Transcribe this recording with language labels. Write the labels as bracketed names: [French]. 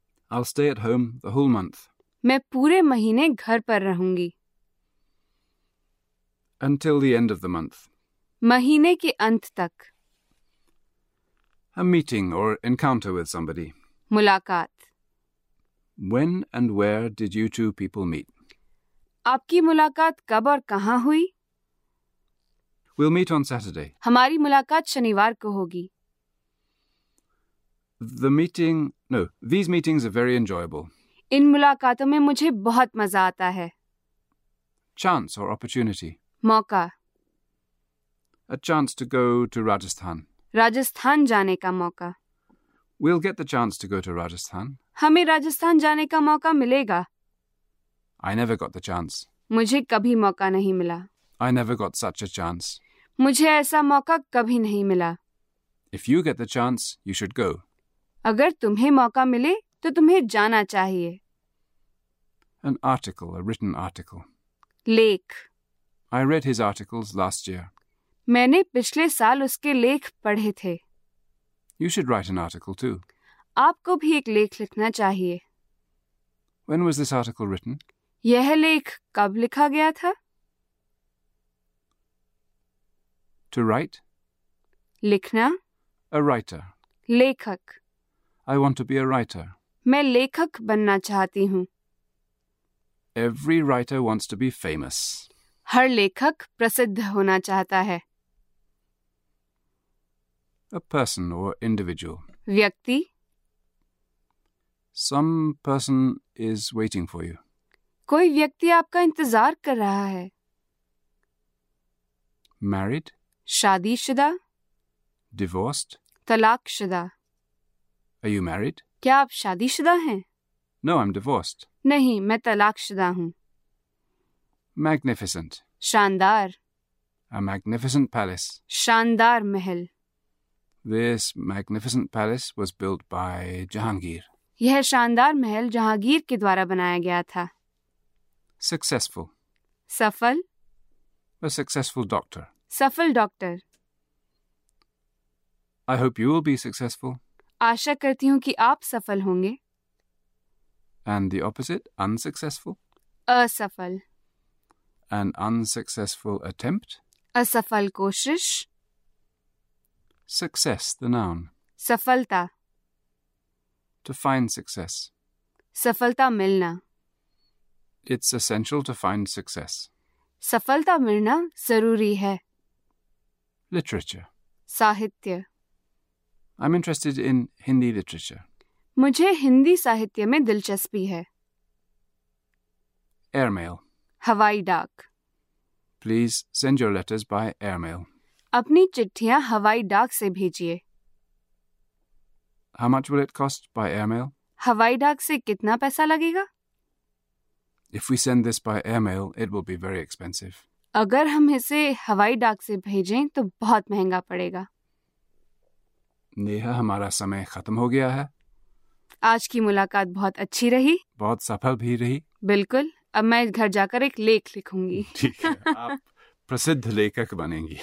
[English] I'll stay at home the whole month. [Hindi] मैं पूरे महीने घर पर रहूंगी. [English] Until the end of the month. [Hindi] महीने के अंत तक. [English] A meeting or encounter with somebody. [Hindi] मुलाकात. [English] When and where did you two people meet? [Hindi] आपकी मुलाकात कब और कहाँ हुई? [English] We'll meet on Saturday. [Hindi] हमारी मुलाकात शनिवार को होगी. [English] These meetings are very enjoyable. [Hindi] इन मुलाकातों में मुझे बहुत मजा आता है. [English] Chance or opportunity. [Hindi] मौका. [English] A chance to go to Rajasthan. [Hindi] Rajasthan जाने का मौका. [English] We'll get the chance to go to Rajasthan. [Hindi] हमें राजस्थान जाने का मौका मिलेगा. [English] I never got the chance. [Hindi] मुझे कभी मौका नहीं मिला. [English] I never got such a chance. [Hindi] मुझे ऐसा मौका कभी नहीं मिला. [English] If you get the chance, you should go. [Hindi] अगर तुम्हें मौका मिले तो तुम्हें जाना चाहिए. [English] An article, a written article. [Hindi] लेख. [English] I read his articles last year. [Hindi] मैंने पिछले साल उसके लेख पढ़े थे। [English] You should write an article too. [Hindi] आपको भी एक लेख लिखना चाहिए। [English] When was this article written? [Hindi] यह लेख कब लिखा गया था? [English] To write? [Hindi] लिखना। [English] A writer. [Hindi] लेखक। [English] I want to be a writer. [Hindi] मैं लेखक बनना चाहती हूँ। [English] Every writer wants to be famous. [Hindi] हर लेखक प्रसिद्ध होना चाहता है। [English] A person or individual. [Hindi] व्यक्ति। [English] Some person is waiting for you. [Hindi] कोई व्यक्ति आपका इंतजार कर रहा है। [English] Married. [Hindi] शादीशुदा। [English] Divorced. [Hindi] तलाकशुदा। [English] Are you married? [Hindi] क्या आप शादीशुदा हैं? [English] No, I'm divorced. [Hindi] नहीं, मैं तलाकशुदा हूँ। [English] Magnificent. [Hindi] शानदार। [English] A magnificent palace. [Hindi] शानदार महल। [English] This magnificent palace was built by Jahangir. [Hindi] यह शानदार महल जहांगीर के द्वारा बनाया गया था। [English] Successful. [Hindi] सफल। [English] A successful doctor. [Hindi] सफल doctor. [English] I hope you will be successful. [Hindi] आशा करती हूँ कि आप सफल होंगे। [English] And the opposite, unsuccessful. [Hindi] असफल। [English] An unsuccessful attempt. [Hindi] असफल कोशिश। [English] Success, the noun. [Hindi] सफलता। [English] To find success. [Hindi] सफलता मिलना। [English] It's essential to find success. [Hindi] सफलता मिलना जरूरी है। [English] Literature. [Hindi] साहित्य। [English] I'm interested in Hindi literature. [Hindi] मुझे हिंदी साहित्य में दिलचस्पी है। [English] Airmail. [Hindi] हवाई डाक। [English] Please send your letters by airmail. [Hindi] अपनी चिट्ठियां हवाई डाक से भेजिए। [English] How much will it cost by airmail? [Hindi] हवाई डाक से कितना पैसा लगेगा? [English] If we send this by airmail, it will be very expensive. [Hindi] अगर हम इसे हवाई डाक से भेजें तो बहुत महंगा पड़ेगा। नेहा, हमारा समय खत्म हो गया है। आज की मुलाकात बहुत अच्छी रही। बहुत सफल भी रही। बिल्कुल, अब मैं घर जाकर एक लेख लिखूंगी। ठीक है, आप प्रसिद्ध लेखक बनेंगी।